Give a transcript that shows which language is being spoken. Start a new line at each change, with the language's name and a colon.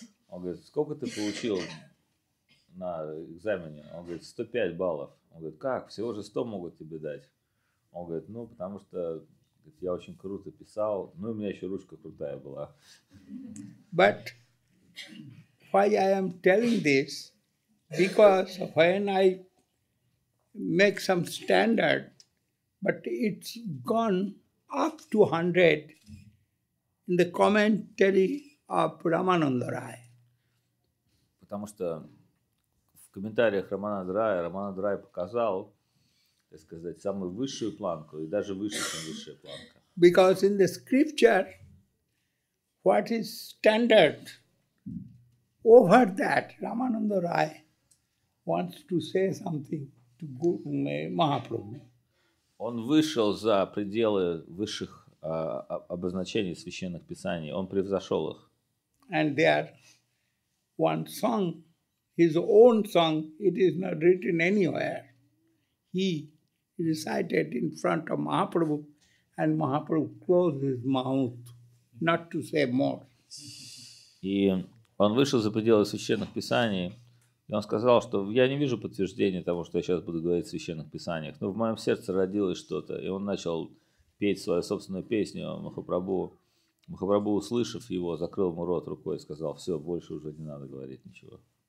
Russian: Он говорит, сколько ты получил на экзамене? Он говорит, 105 баллов. Он говорит, как, всего же 100 могут тебе дать? Он говорит, ну, потому что я очень круто писал, ну, и у меня еще ручка крутая была.
English: But why I am telling this? Because when I make some standard, but it's gone up to 100 in the commentary of Ramananda Rai.
Russian: Потому что в комментариях Рамананда Рай показал, так сказать, самую высшую планку и даже выше, чем высшая планка.
English: Because in the scripture, what is standard over that, Ramananda Rai wants to say something to Mahaprabhu.
Russian: Он вышел за пределы высших обозначений священных писаний. Он превзошел их.
English: And there one song, his own song, it is not written anywhere. He recited in front of Mahaprabhu, and Mahaprabhu closed his mouth not to say more.
Russian: И он вышел за пределы священных писаний. И он сказал, что я не вижу подтверждения того, что я сейчас буду говорить в священных писаниях, но в моем сердце родилось что-то. И он начал петь свою собственную песню Махапрабху. Махапрабху, услышав его, закрыл ему рот рукой и сказал, все, больше уже не надо говорить ничего.